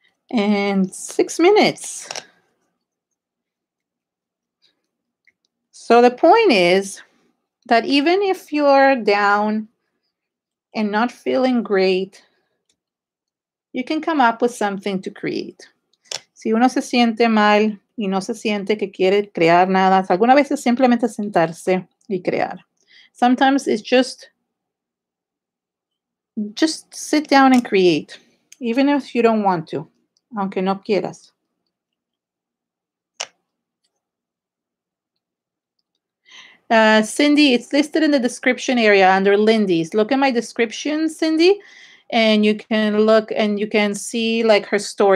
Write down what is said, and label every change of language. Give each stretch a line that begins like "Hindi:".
English: And 6 minutes. So the point is that even if you're down and not feeling great, you can come up with something to create.
Spanish: Si uno se siente mal y no se siente que quiere crear nada, alguna vez es simplemente sentarse y crear.
English: Sometimes it's just sit down and create, even if you don't want to.
Spanish: Aunque no quieras.
English: Cindy, it's listed in the description area under Lindy's. Look at my description, Cindy, and you can look and you can see like her store.